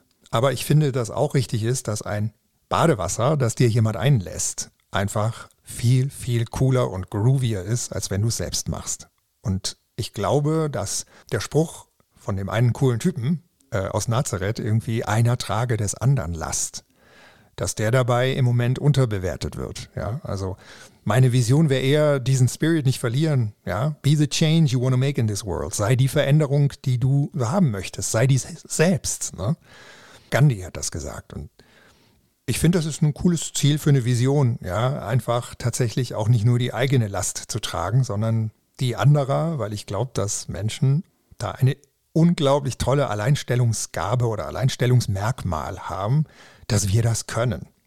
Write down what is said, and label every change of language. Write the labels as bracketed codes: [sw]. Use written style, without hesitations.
[de] Aber ich finde, dass auch richtig ist, dass ein Badewasser, das dir jemand einlässt, einfach viel, viel cooler und groovier ist, als wenn du es selbst machst. Und ich glaube, dass der Spruch von dem einen coolen Typen aus Nazareth irgendwie einer trage des anderen Last, dass der dabei im Moment unterbewertet wird. Ja, also meine Vision wäre eher, diesen Spirit nicht verlieren. [en] Ja, be the change you want to make in this world. [de] Sei die Veränderung, die du haben möchtest. Sei dies selbst. Ne? Gandhi hat das gesagt. Und ich finde, das ist ein cooles Ziel für eine Vision. Ja, einfach tatsächlich auch nicht nur die eigene Last zu tragen, sondern die andere, weil ich glaube, dass Menschen da eine unglaublich tolle Alleinstellungsgabe oder Alleinstellungsmerkmal haben, dass wir das können.